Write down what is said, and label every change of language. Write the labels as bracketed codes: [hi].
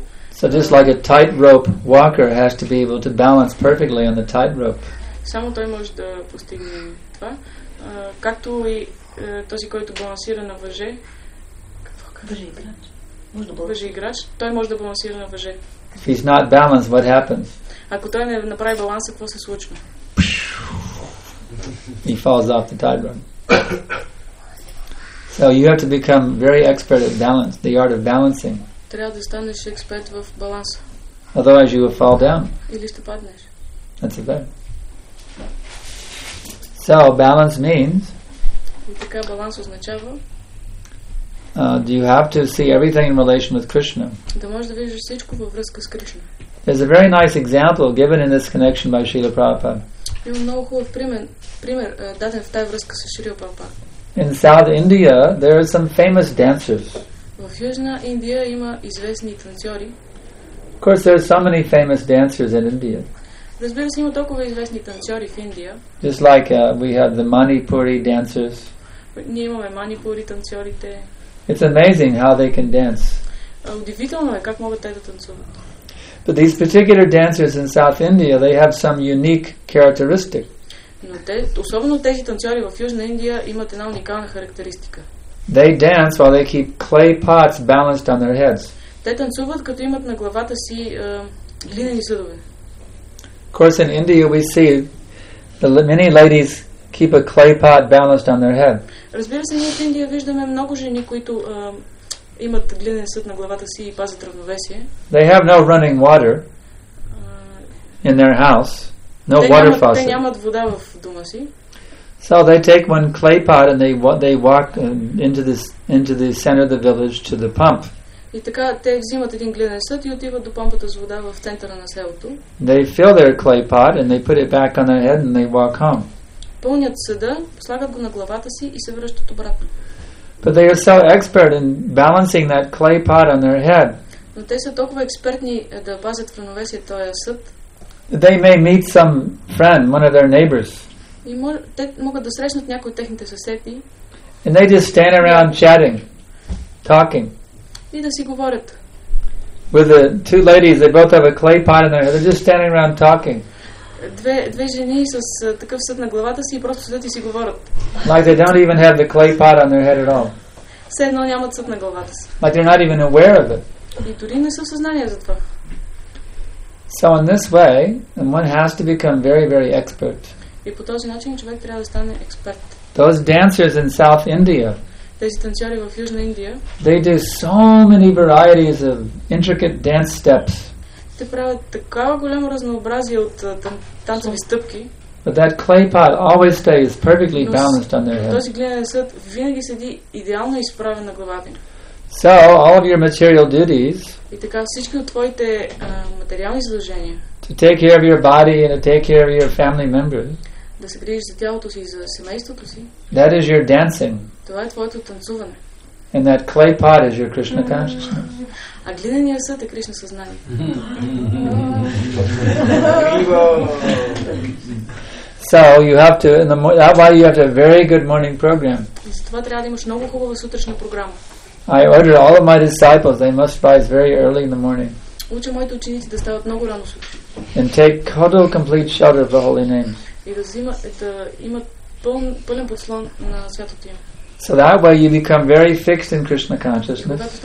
[en] So just like a tightrope walker has to be able to balance perfectly on the tightrope, [bg] само той може да постигне това, както и този, който балансира на въже. Въжеиграч. Той може да балансира на въже. [en] If he's not balanced, what happens? [bg] Ако той не направи баланса, какво се случва? [en] He falls off the tightrope. So you have to become very expert at balance, the art of balancing. [bg] Трябва да станеш експерт в баланса. [en] Otherwise you will fall down. [bg] Или ще паднеш. [en] That's it. So balance means. [bg] Така баланс означава. [en] Do you have to see everything in relation with Krishna? [bg] Да можеш да виждаш всичко във връзка с Кришна. [en] There's a very nice example given in this connection by Srila Prabhupada. [bg] Има много хубав пример даден в тази връзка с Шрила Прабхупада. [en] In South India there are some famous dancers. [bg] В Южна Индия има известни танцори. [en] Of course there are so many famous dancers in India. [bg] Разбира се, има толкова известни танцори в Индия. [en] Just like we have the Manipuri dancers. [bg] Ние имаме Манипури танцорите. [en] It's amazing how they can dance. [bg] Удивително е как могат те да танцуват. [en] But these particular dancers in South India, they have some unique characteristic. [bg] Но те, особено тези танцори в Южна Индия, имат една уникална характеристика. [en] They dance while they keep clay pots balanced on their heads. [bg] Те танцуват като имат на главата си глинени съдове. [en] Of course, in India we see that many ladies keep a clay pot balanced on their head. [bg] Разбира се, ние в Индия виждаме много жени, които имат глинен съд на главата си и пазят равновесие. [en] They have no running water in their house, no water faucet. [bg] Те нямат вода в дома си. [en] So they take one clay pot and they walk into the center of the village to the pump. [bg] И така те взимат един глинен съд и отиват до помпата с вода в центъра на селото. [en] They fill their clay pot and they put it back on their head and they walk home. [bg] Пълнят съда, слагат го на главата си и се връщат обратно. [en] But they are so expert in balancing that clay pot on their head. [bg] Но те са толкова експертни да пазят в равновесие този съд. [en] They may meet some friend, one of their neighbors. [bg] И те могат да срещнат някой от техните съседи. [en] And they just stand around chatting, talking. [bg] И да си говорят. [en] With the two ladies, they both have a clay pot in their head. They're just standing around talking. [bg] Две жени с такъв съд на главата си и просто седят и си говорят. [en] Like they don't even have the clay pot on their head at all. [bg] Все едно нямат съд на главата си. [en] Like they're not even aware of it. [bg] И дори не са в съзнание за това. [en] So in this way, one has to become very, very expert. [bg] И по този начин човек трябва да стане експерт. [en] Those dancers in South India. [bg] Тези танцори в Южна Индия. [en] They do so many varieties of intricate dance steps. [bg] Те правят такава голямо разнообразие от танцови стъпки. [en] But that clay pot always stays perfectly balanced on their head. [bg] Този глинен съд винаги седи идеално изправен на главата им. [en] So all of your material duties. [bg] И така всички от твоите материални задължения. [en] To take care of your body and to take care of your family members. [bg] Да се грижиш за тялото си и за семейството си. [en] That is your dancing. [bg] Това е твоето танцуване. [en] And that clay pot is your Krishna consciousness. [bg] А глиненият съд е Кришна съзнание. [en] So you have to, that's why you have to have a very good morning program. [bg] Затова трябва да имаш много хубава сутрешна програма. [en] I order all of my disciples, they must rise very early in the morning. [bg] Уча моите ученици да стават много рано сутрин. [en] And take total complete shelter of the holy name. [bg] И да имат пълен подслон на святото име. [en] So that way you become very fixed in Krishna consciousness.